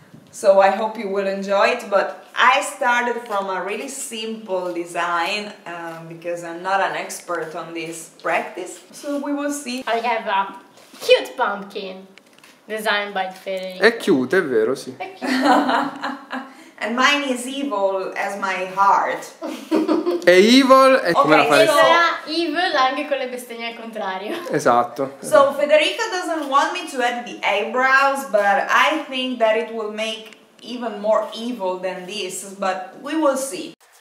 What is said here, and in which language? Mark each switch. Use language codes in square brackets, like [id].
[en] So I hope you will enjoy it, but I started from a really simple design because I'm not an expert on this practice. So we will see. I have a cute pumpkin designed by Federico. [it] È cute, è vero, sì. È cute. [en] And mine is evil as my heart. [it] È evil e come la fai? Sarà evil anche con le bestemmie al contrario. Esatto. [en] So Federico doesn't want me to add the eyebrows, but I think that it will make even more evil than this, but we will see.